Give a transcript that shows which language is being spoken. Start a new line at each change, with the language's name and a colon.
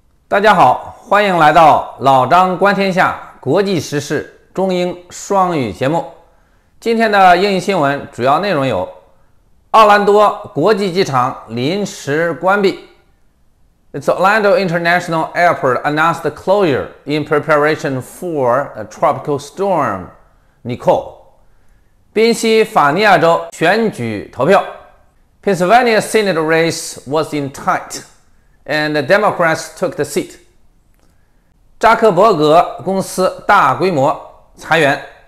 Chinese: 大家好，欢迎来到老张观天下国际时事中英双语节目。今天的英语新闻主要内容有：奥兰多国际机场临时关闭。
English: It's Orlando International Airport announced the closure in preparation for a tropical storm Nicole。
Chinese: 宾夕法尼亚州选举投票。
English: Pennsylvania Senate race was in tight and the Democrats took the seat。
Chinese: 扎克伯格公司大规模裁员。